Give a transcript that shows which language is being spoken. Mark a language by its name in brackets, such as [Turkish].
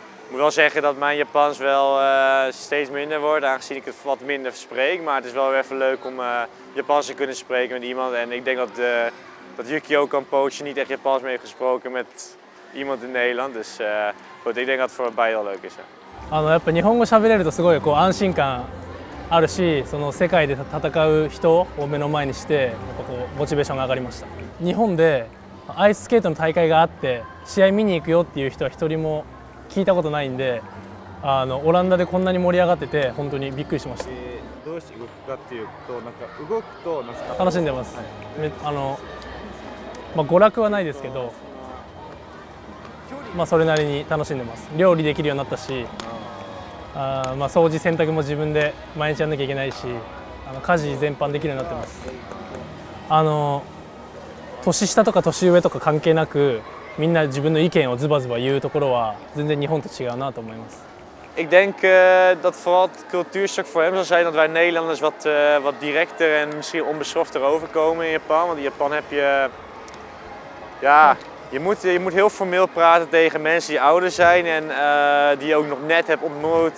[Dutch] Ik moet wel zeggen dat mijn Japans wel steeds minder wordt, aangezien ik het wat minder spreek. Maar het is wel even leuk om Japans te kunnen spreken met iemand. En ik denk dat Yuki ook een poosje niet echt Japans mee heeft gesproken met iemand in Nederland, dus goed, ik denk dat het voor beide leuk is. [Japanese] やっぱ日本語喋れるとすごいこう安心感あるし、その世界で戦う人を目の前にして、やっぱこうモチベーションが上がりました。日本でアイススケートの大会があって試合見に行くよっていう人は一人も聞いたことないんで、オランダでこんなに盛り上がってて本当にびっくりしました。どうして動くかっていうと、なんか動くと楽しんでます。はい、娯楽はないですけど。まあ、それなりに楽しんでます。料理できるようになったし、まあ、掃除洗濯も自分で毎日やんなきゃいけないし、家事全般できるようになってます。年下とか年上とか関係なく、みんな自分の意見をズバズバ言うところは全然日本と違うなと思います。 [Dutch] Ik denk dat vooral het cultuurschok voor hem zal zijn dat wij Nederlanders wat directer en misschien onbeschofter overkomen in Japan. Want in Japan heb je, Je moet heel formeel praten tegen mensen die ouder zijn en die je ook nog net hebt ontmoet.